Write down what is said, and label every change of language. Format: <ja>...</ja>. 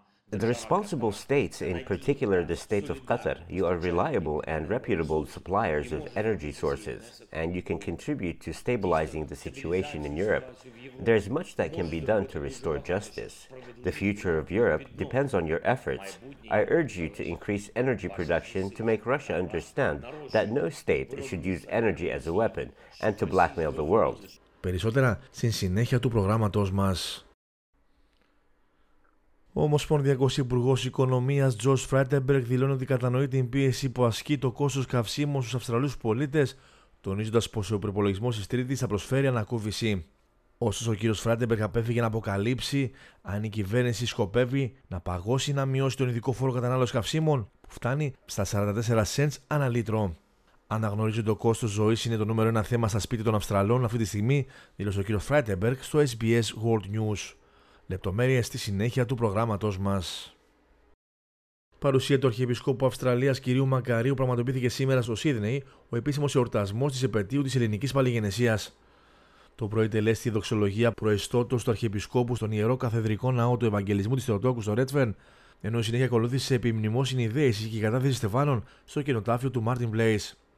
<en>The responsible states, in particular the state of Qatar, you are reliable and reputable suppliers of energy sources, and you can contribute to stabilizing the situation in Europe. There is much that can be done to restore justice. The future of Europe depends on your efforts. I urge you to increase energy production to make Russia understand that no state should use energy as a weapon and to blackmail the world.</en> <el>Περισσότερα στην συνέχεια του προγράμματος μας. Ο Ομοσπονδιακός Υπουργός Οικονομίας Τζος Φράιντεμπεργκ δηλώνει ότι κατανοεί την πίεση που ασκεί το κόστος καυσίμων στους Αυστραλούς πολίτες, τονίζοντας πως ο προϋπολογισμός της Τρίτης θα προσφέρει ανακούφιση. Ωστόσο, ο κ. Φράιντεμπεργκ απέφυγε να αποκαλύψει αν η κυβέρνηση σκοπεύει να παγώσει να μειώσει τον ειδικό φόρο κατανάλωσης καυσίμων, που φτάνει στα 44 σέντς ανά λίτρο. Αναγνωρίζει ότι το κόστος ζωής είναι το νούμερο ένα θέμα στα σπίτια των Αυστραλών αυτή τη στιγμή, δήλωσε ο κ. Φράιντεμπεργκ στο SBS World News. Λεπτομέρειες στη συνέχεια του προγράμματος μας. Παρουσία του Αρχιεπισκόπου Αυστραλίας κυρίου Μακαρίου πραγματοποιήθηκε σήμερα στο Σίδνεϊ ο επίσημος εορτασμός της επετείου της ελληνικής παλιγενεσίας. Το πρωί τελέστη η δοξολογία προϊστότος του Αρχιεπισκόπου στον Ιερό Καθεδρικό Ναό του Ευαγγελισμού της Θεοτόκου στο Ρέτφερν, ενώ η συνέχεια ακολούθησε επιμνημόσυνη δέηση και η κατάθεση στεφάνων στο κενοτάφιο του Μάρτιν Πλέις.</el>